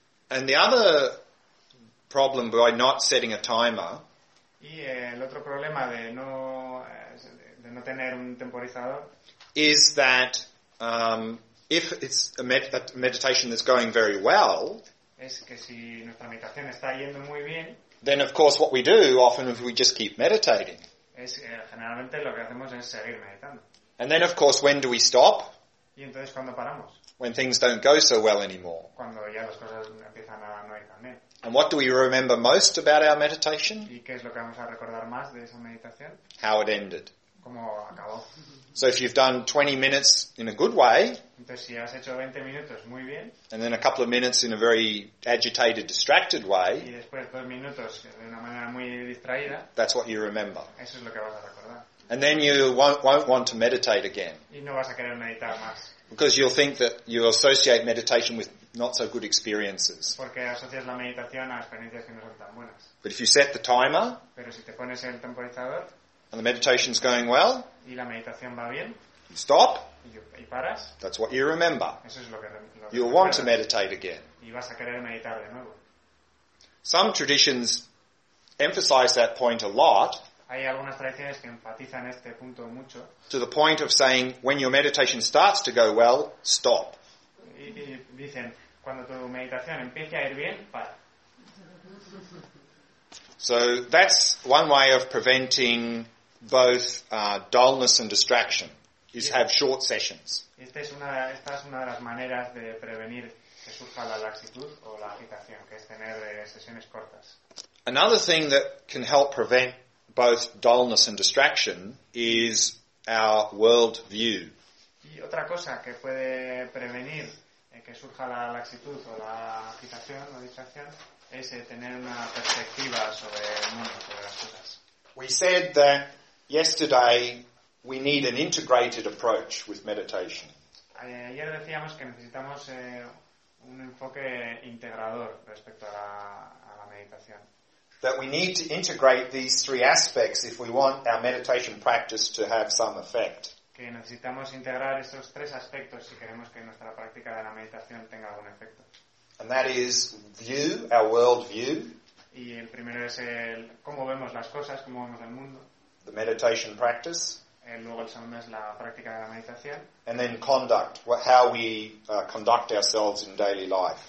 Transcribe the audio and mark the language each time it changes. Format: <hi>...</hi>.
<en>And the other problem by not setting a timer.</en> <es>Y el otro problema de no tener un temporizador</es> <en>is that if it's a meditation that's going very well,</en> <es>es que si nuestra meditación está yendo muy bien,</es> <en>then of course what we do often is we just keep meditating.</en> <es>Es generalmente lo que hacemos es seguir meditando.</es> <en>And then of course when do we stop?</en> <es>Y entonces, ¿cuándo paramos?</es> <en>when things don't go so well anymore.</en> <es>Cuando ya las cosas empiezan a no ir tan bien.</es> <en>And what do we remember most about our meditation?</en> <es>¿Y qué es lo que vamos a recordar más de esa meditación?</es> <en>How it ended.</en> <es>¿Cómo acabó?</es> <en>So if you've done 20 minutes in a good way,</en> <es>entonces, si has hecho 20 minutos, muy bien,</es> <en>and then a couple of minutes in a very agitated, distracted way,</en> <es>y después, dos minutos, de una manera muy distraída,</es> <en>that's what you remember.</en> <es>Eso es lo que vas a recordar.</es> <en>And then you won't want to meditate again.</en> <es>Y no vas a querer meditar más.</es> <en>Because you'll think that you associate meditation with not so good experiences.</en> <es>Porque asocias la meditación a experiencias que no son tan buenas.</es> <en>But if you set the timer,</en> <es>pero si te pones el temporizador,</es> <en>and the meditation's going well,</en> <es>y la meditación va bien,</es> <en>you stop,</en> <es>y paras,</es> <en>that's what you remember.</en> <es>Eso es lo que</es> <en>you'll want to meditate again.</en> <es>Y vas a querer meditar de nuevo.</es> <en>Some traditions emphasize that point a lot.</en> <es>Hay algunas tradiciones que enfatizan este punto mucho.</es> <en>To the point of saying, when your meditation starts to go well, stop.</en> <es>Y dicen, cuando tu meditación empiece a ir bien, para.</es> <en>So that's one way of preventing both dullness and distraction, is have short sessions.</en> <es>Esta es una de las maneras de prevenir que surja la laxitud o la agitación, que es tener sesiones cortas.</es> <en>Another thing that can help prevent both dullness and distraction is our world view.</en> <es>Y otra cosa que puede prevenir que surja la laxitud o la agitación o distracción es tener una perspectiva sobre el mundo, sobre las cosas.</es> <en>We said that yesterday we need an integrated approach with meditation.</en> <es>Ayer decíamos que necesitamos un enfoque integrador respecto a la meditación.</es> <en>That we need to integrate these three aspects if we want our meditation practice to have some effect.</en> <es>Que necesitamos integrar estos tres aspectos si queremos que nuestra práctica de la meditación tenga algún efecto.</es> <en>And that is view, our world view.</en> <es>Y el primero es el cómo vemos las cosas, cómo vemos el mundo.</es> <en>The meditation practice.</en> <es>Y luego el segundo es la práctica de la meditación.</es> <en>And then conduct, how we conduct ourselves in daily life.</en>